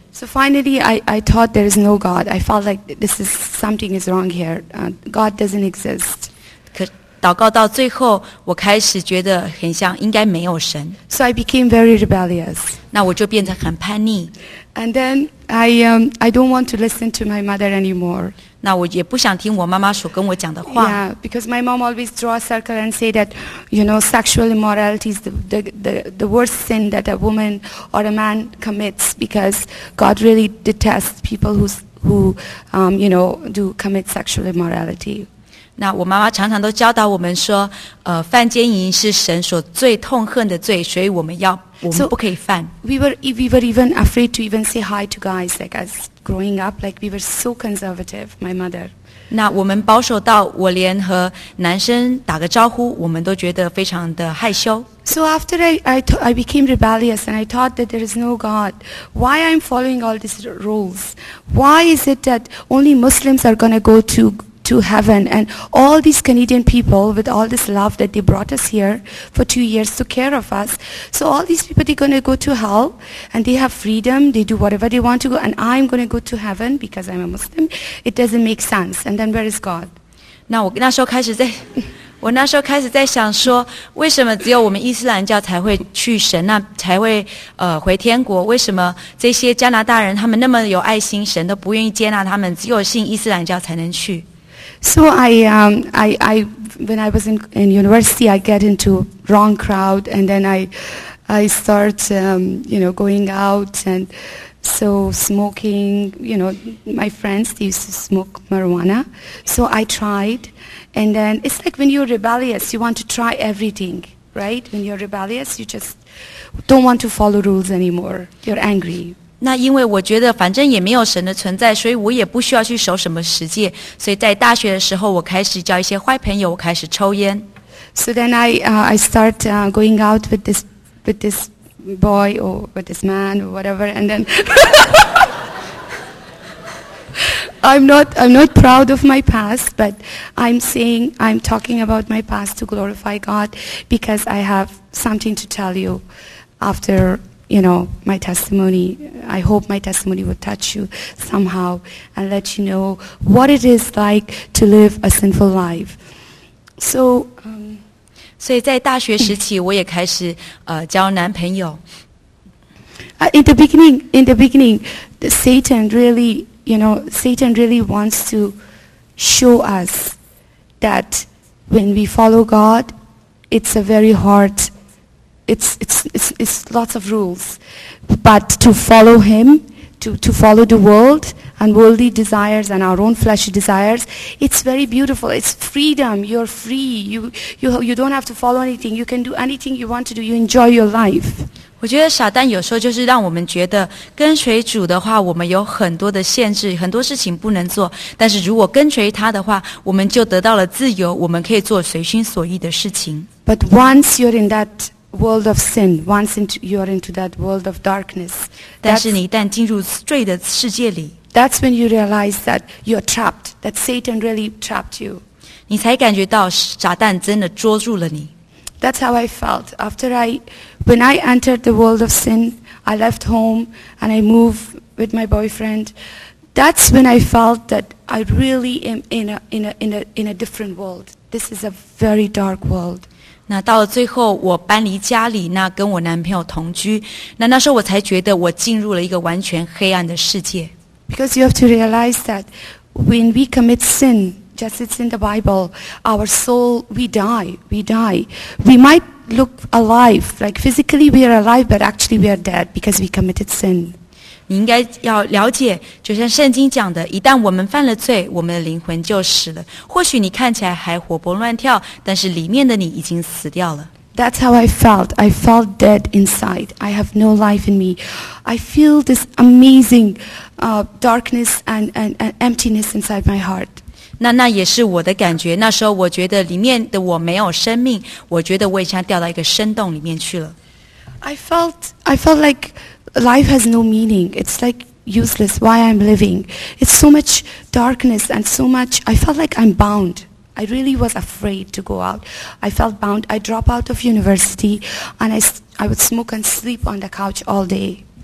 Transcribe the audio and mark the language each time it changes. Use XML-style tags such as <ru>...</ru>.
<en>So finally, I thought there is no God. I felt like this is something is wrong here. God doesn't exist.</en> <zh>可祷告到最后，我开始觉得很像应该没有神。</zh> <en>So I became very rebellious.</en> <zh>那我就变得很叛逆。</zh> <en>And then I don't want to listen to my mother anymore.</en> <zh>那我也不想听我妈妈所跟我讲的话。</zh> <en>Yeah, because my mom always draw a circle and say that, you know, sexual immorality is the worst sin that a woman or a man commits because God really detests people who commit sexual immorality.</en> <zh>那我妈妈常常都教导我们说，犯奸淫是神所最痛恨的罪，所以我们不可以犯。</zh> <en>So, we were even afraid to even say hi to guys like us. Growing up, like we were so conservative, my mother.</en> <zh>那我们保守到我连和男生打个招呼，我们都觉得非常的害羞。</zh> <en>So after I became rebellious and I thought that there is no God. Why I'm following all these rules? Why is it that only Muslims are going to go to heaven and all these Canadian people with all this love that they brought us here for 2 years to care of us. So all these people, they're going to go to hell and they have freedom, they do whatever they want to go and I'm going to go to heaven because I'm a Muslim. It doesn't make sense. And then where is God?</en> <zh>那我那时候开始在我那时候开始在想说为什么只有我们伊斯兰教才会去神那才会回天国为什么这些加拿大人他们那么有爱心神都不愿意接纳他们只有信伊斯兰教才能去</zh> <en>So I when I was in university, I get into wrong crowd, and then I start going out and so smoking. You know, my friends they used to smoke marijuana, so I tried, and then it's like when you're rebellious, you want to try everything, right? When you're rebellious, you just don't want to follow rules anymore. You're angry.</en> <zh>那因为我觉得反正也没有神的存在，所以我也不需要去守什么十戒。所以在大学的时候，我开始交一些坏朋友，我开始抽烟。</zh> <en>So then I start going out with this boy or with this man or whatever, and then I'm not proud of my past, but I'm talking about my past to glorify God because I have something to tell you after. You know, my testimony, I hope my testimony will touch you somehow and let you know what it is like to live a sinful life. So,</en> <zh>所以在大学时期我也开始交男朋友。</zh> <en>In the beginning, Satan really wants to show us that when we follow God, it's a very hard, it's lots of rules. But to follow him, to follow the world and worldly desires and our own fleshy desires, it's very beautiful. It's freedom. You're free. You don't have to follow anything. You can do anything you want to do. You enjoy your life.</en> <zh>我觉得撒旦有时候就是让我们觉得跟随主的话，我们有很多的限制，很多事情不能做。但是如果跟随他的话，我们就得到了自由，我们可以做随心所欲的事情。</zh> <en>But once you're in that world of sin, once you're into that world of darkness,</en> <zh>但是你一旦进入罪的世界里</zh> <en>，That's when you realize that you're trapped, that Satan really trapped you.</en> <zh>你才感觉到撒旦真的捉住了你。</zh> <en>That's how I felt. When I entered the world of sin, I left home and I moved with my boyfriend. That's when I felt that I really am in a different world. This is a very dark world.</en> <zh>那到了最后我搬离家里，那跟我男朋友同居，那时候我才觉得我进入了一个完全黑暗的世界。</zh> <en>Because you have to realize that when we commit sin,just it's in the Bible, our soul, we die. We might look alive, like physically we are alive, but actually we are dead because we committed sin.</en> <zh>你应该要了解，就像圣经讲的，一旦我们犯了罪，我们的灵魂就死了。或许你看起来还活蹦乱跳，但是里面的你已经死掉了。</zh> <en>That's how I felt. I felt dead inside. I have no life in me. I feel this amazing darkness and emptiness inside my heart.</en> <zh>那也是我的感觉，那时候我觉得里面的我没有生命，我觉得我已经掉到一个深洞里面去了。</zh> <en>I felt like life has no meaning. It's like useless. Why I'm living? It's so much darkness and so much. I felt like I'm bound. I really was afraid to go out. I felt bound. I dropped out of university and I would smoke and sleep on the couch all day.</en>